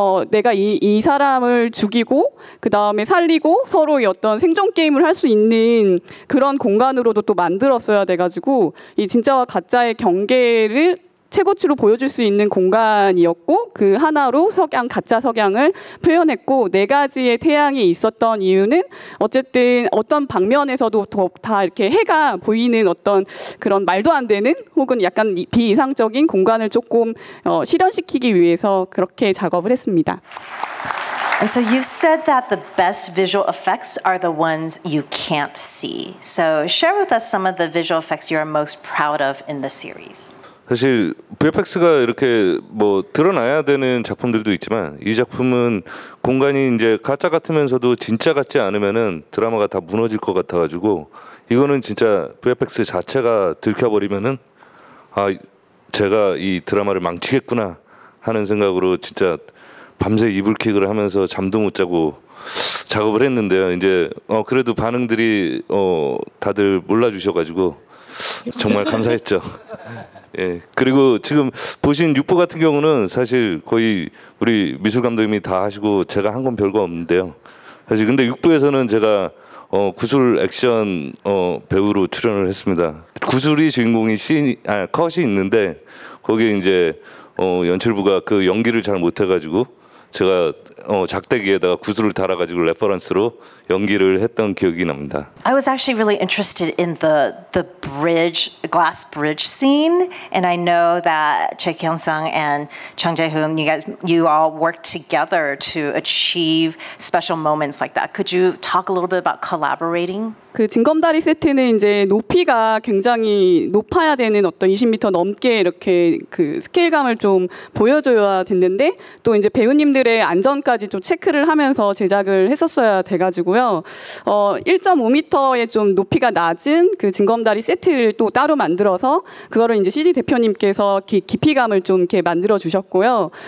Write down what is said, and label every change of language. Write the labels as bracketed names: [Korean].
[Korean] 내가 이 사람을 죽이고 그 다음에 살리고 서로의 어떤 생존 게임을 할 수 있는 그런 공간으로도 또 만들었어야 돼가지고 이 진짜와 가짜의 경계를 최고치로 보여줄 수 있는 공간이었고 그 하나로 석양, 가짜 석양을 표현했고 네 가지의 태양이 있었던 이유는 어쨌든 어떤 방면에서도 다 이렇게 해가 보이는 어떤 그런 말도 안 되는 혹은 약간 비이상적인 공간을 조금 실현시키기 위해서 그렇게 작업을 했습니다. [English] And so you've said that the best visual effects are the ones you can't see. So share with us some of the visual effects you are most proud of in the series. [Korean] 사실 VFX가 이렇게 뭐 드러나야 되는 작품들도 있지만 이 작품은 공간이 이제 가짜 같으면서도 진짜 같지 않으면은 드라마가 다 무너질 것 같아가지고 이거는 진짜 VFX 자체가 들켜버리면은 아 제가 이 드라마를 망치겠구나 하는 생각으로 진짜 밤새 이불킥을 하면서 잠도 못 자고 작업을 했는데요. 이제 그래도 반응들이 다들 몰라주셔가지고 정말 감사했죠. 예, 그리고 지금 보신 6부 같은 경우는 사실 거의 우리 미술 감독님이 다 하시고 제가 한 건 별거 없는데요. 사실 근데 6부에서는 제가 구술 액션 배우로 출연을 했습니다. 구술이 주인공이 컷이 있는데 거기에 이제 연출부가 그 연기를 잘 못해가지고 제가 작대기에다가 구슬을 달아가지고 레퍼런스로 연기를 했던 기억이 납니다. [English] I was actually really interested in the bridge, glass bridge scene, and I know that Chae Kyoung-sung and Jung Jae-hoon, you all worked together to achieve special moments like that. Could you talk a little bit about collaborating? [Korean] 그 진검다리 세트는 이제 높이가 굉장히 높아야 되는 어떤 20m 넘게 이렇게 그 스케일감을 좀 보여줘야 됐는데 또 이제 배우님들의 안전까지 좀 체크를 하면서 제작을 했었어야 돼가지고요. 1.5m의 좀 높이가 낮은 그 진검다리 세트를 또 따로 만들어서 그거를 이제 CG 대표님께서 깊이감을 좀 이렇게 만들어 주셨고요.